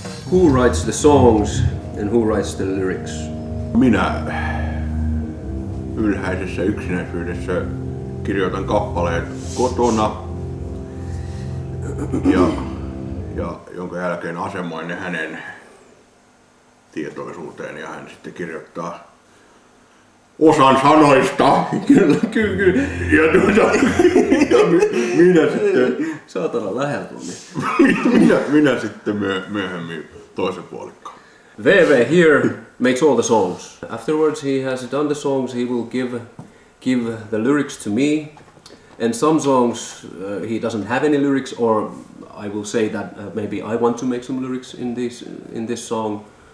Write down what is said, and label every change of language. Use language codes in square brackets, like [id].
[en] Who writes the songs and who writes the lyrics? [fi] Minä ylhäisessä yksinäisyydessä kirjoitan kappaleet kotona ja jonka jälkeen asemoin ne hänen tietoisuuteen ja hän sitten kirjoittaa osan sanoista. Kyllä, kyllä, kyllä. Ja, minä sitten... Saatana lähellä tunne. Minä sitten myöhemmin toisen puolikkaan. [en] VV here makes all the songs. Afterwards he has done the songs, he will give the lyrics to me. And some songs he doesn't have any lyrics, or I will say that maybe I want to make some lyrics in this song.